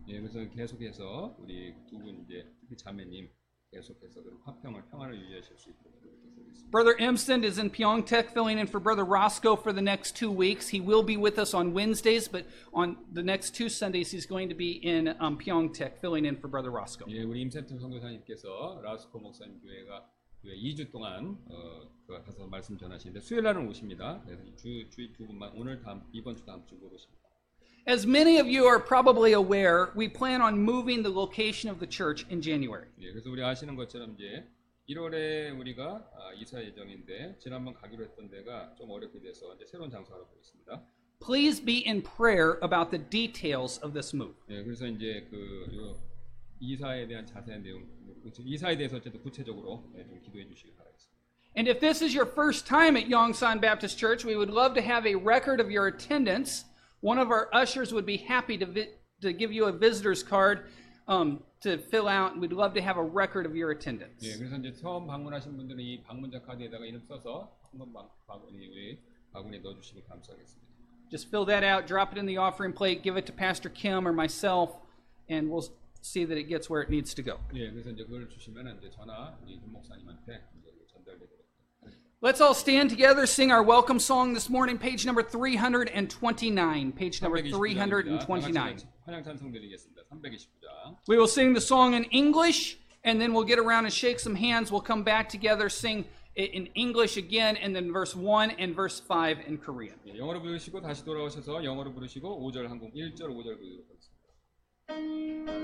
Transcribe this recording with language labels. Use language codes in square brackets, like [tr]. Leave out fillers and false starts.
[ko] 예, 그래서 계속해서 우리 두 분 이제 자매님 계속해서 그런 화평을 평안을 유지하실 수 있도록 기도드리겠습니다. [en] Brother Imstead is in Pyeongtaek filling in for Brother Roscoe for the next 2 weeks. He will be with us on Wednesdays, but on the next two Sundays, he's going to be in Pyeongtaek filling in for Brother Roscoe. [ko] 예, 우리 임센튼 선교사님께서 라스코 목사님 교회가 교회 2주 동안 그가 가서 말씀 전하시는데 수요일 날은 오십니다. 그래서 주일 두 분만 오늘 다음 이번 주 다음 주 오십니다. [en] As many of you are probably aware, we plan on moving the location of the church in January. [ko] 예, 그래서 우리 아시는 것처럼 이제 1월에 우리가 이사 예정인데 지난번 가기로 했던 데가 좀 어렵게 돼서 이제 새로운 장소로 보겠습니다. [en] Please be in prayer about the details of this move. [ko] 예, 그래서 이제 그 이사에 대한 자세한 내용, 이사에 대해서 좀 구체적으로 좀 기도해 주시기 바라겠습니다. [en] And if this is your first time at Yongsan Baptist Church, we would love to have a record of your attendance. One of our ushers would be happy to give you a visitor's card to fill out. We'd love to have a record of your attendance. [ko] 예, 그래서 이제 처음 방문하신 분들은 이 방문자 카드에다가 이름 써서 한번 바구니에 넣어주시면 감사하겠습니다. [en] Just fill that out, drop it in the offering plate, give it to Pastor Kim or myself, and we'll see that it gets where it needs to go. [ko] 예, 그래서 이제 그걸 주시면 이제 전화 우리 김 목사님한테 전달됩니다. [en] Let's all stand together, sing our welcome song this morning, page number 329. Page number 329. [ko] 환영 찬송 드리겠습니다. 329장. [en] We will sing the song in English, and then we'll get around and shake some hands. We'll come back together, sing it in English again, and then verse 1 and verse 5 in Korean. [ko] 예, 영어로 부르시고 다시 돌아오셔서 영어로 부르시고 5절 한 곡, 1절, 5절 부르도록 하겠습니다.